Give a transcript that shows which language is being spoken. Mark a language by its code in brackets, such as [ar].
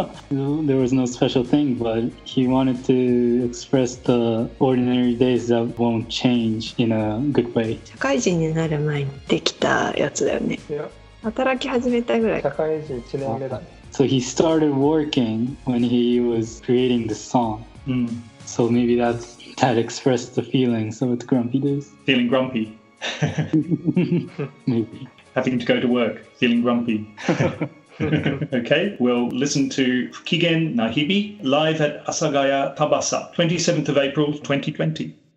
[en] There was no special thing But he wanted to express the ordinary days that won't change in a good way [ja] 社会人になる前にできたやつだよね [en] Yeah [ja] 働き始めたぐらい社会人1年目だね [en] So he started working when he was creating the song、 mm. So maybe that expressed the feelings of the grumpy days Feeling grumpy Maybe Having to go to work, feeling grumpy okay, we'll listen to Fukigen Nahibi live at Asagaya Tabasa, 27th of April 2020.